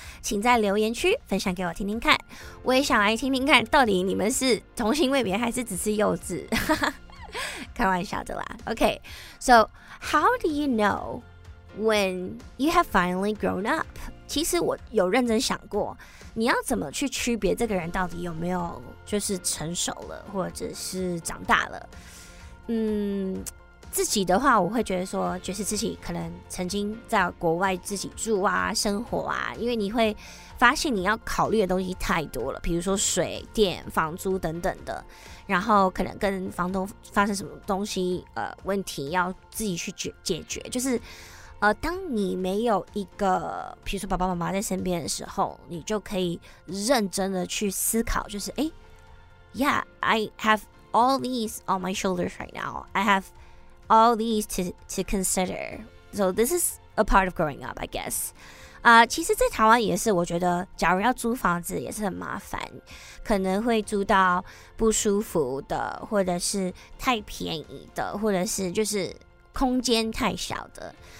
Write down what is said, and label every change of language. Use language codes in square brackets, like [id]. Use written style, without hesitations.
[zh] 请在留言区分享给我听听看，我也想来听听看到底你们是童心未泯还是只是幼稚，开玩笑的啦。 [en] OK， so how do you know when you have finally grown up？ [zh] 其实我有认真想过，你要怎么去区别这个人到底有没有就是成熟了或者是长大了。自己的话我会觉得说，就是自己可能曾经在国外自己住啊生活啊，因为你会发现你要考虑的东西太多了，比如说水电房租等等的，然后可能跟房东发生什么东西问题要自己去解决，就是当你没有一个比如说爸爸妈妈在身边的时候，你就可以认真的去思考，就是 [en] I have all these on my shoulders right now. I have all these to consider. So this is a part of growing up, I guess. [zh] 其实在台湾也是，我觉得假如要租房子也是很麻烦，可能会租到不舒服的，或者是太便宜的，或者是就是空间太小的。